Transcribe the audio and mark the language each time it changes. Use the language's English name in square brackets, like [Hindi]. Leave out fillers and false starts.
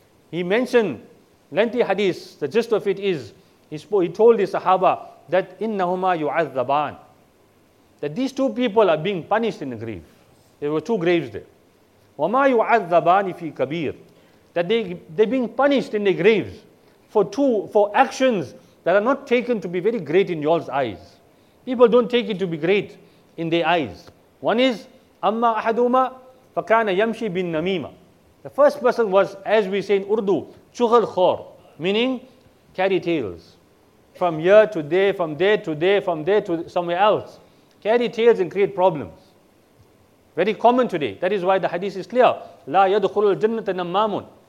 [English] He mentioned lengthy hadith. The gist of it is, he told the Sahaba that [Arabic] innahuma yu'adhaban, [English] that these two people are being punished in the grave. There were two graves there. [Arabic] وَمَا يُعَذَّبَانِ فِي كَبِيرٍ, [English] that they're being punished in their graves for actions that are not taken to be very great in y'all's eyes. People don't take it to be great in their eyes. One is, [Arabic] أَمَّا أَحَدُهُمَا فَكَانَ يَمْشِي بِالنَّمِيمَةِ. [English] The first person was, as we say in Urdu, chughal khor, meaning carry tales. From here to there, from there to there, from there to somewhere else. Carry tales and create problems. Very common today. That is why the hadith is clear. [Arabic] لا يدخل الجنة النمام.